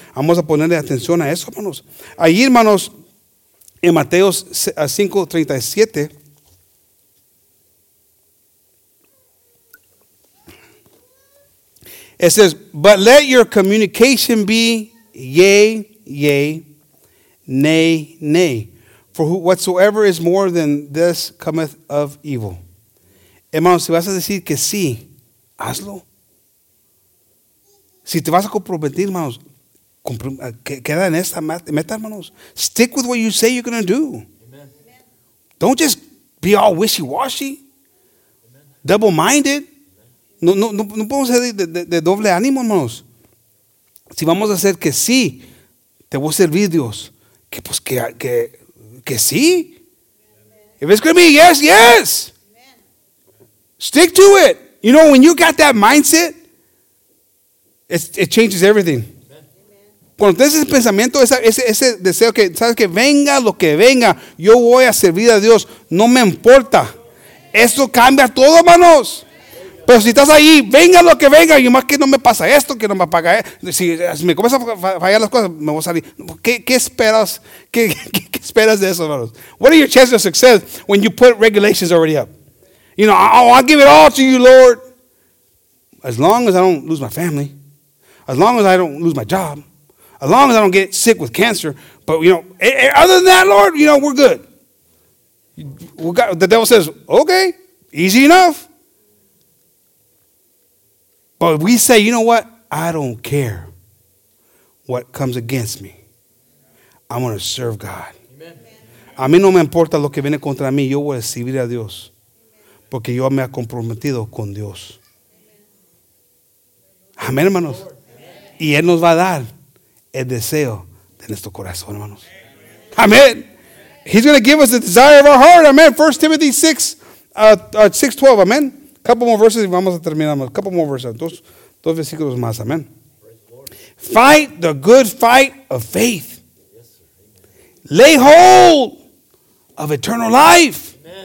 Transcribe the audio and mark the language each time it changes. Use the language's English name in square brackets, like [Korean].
[Spanish] Vamos a ponerle atención a eso, hermanos. Ahí, hermanos, en Mateo 5:37, [English] it says, but let your communication be yea, yea, nay, nay. For whatsoever is more than this cometh of evil. [Spanish] Hermanos, si vas a decir que sí, hazlo. Si te vas a comprometer, hermanos, queda en esta meta, hermanos. [English] Stick with what you say you're going to do. Amen. Don't just be all wishy-washy. Amen. Double-minded. [Spanish] No podemos ser de doble ánimo, hermanos. Si vamos a hacer que sí, te voy a servir, Dios. Que pues que sí. [English] Amen. If it's going to be yes, yes. Amen. Stick to it. You know, when you got that mindset, it changes everything. [Spanish] Cuando tienes ese pensamiento, ese deseo que, sabes que venga lo que venga, yo voy a servir a Dios, no me importa. Eso cambia todo, hermanos. Pero si estás ahí, venga lo que venga, y más que no me pasa esto, que no me apaga. Si me comienzan a fallar las cosas, me voy a salir. ¿Qué esperas? ¿Qué esperas de eso, hermanos? [English] What are your chances of success when you put regulations already up? You know, I'll give it all to you, Lord. As long as I don't lose my family. As long as I don't lose my job. As long as I don't get sick with cancer. But, you know, other than that, Lord, you know, we're good. The devil says, okay, easy enough. But we say, you know what? I don't care what comes against me. I'm going to serve God. [Spanish] Amen. A mí no me importa lo que viene contra mí. Yo voy a servir a Dios. Porque yo me he comprometido con Dios. Amén, hermanos. Y Él nos va a dar el deseo de nuestro corazón, hermanos. Amén. [English] He's going to give us the desire of our heart. Amén. 1 Timothy 6, 12. Amén. Couple more verses [Spanish] y vamos a terminar. [English] Couple more verses. [Spanish] Dos versículos más. Amén. [English] Fight the good fight of faith. Lay hold of eternal life.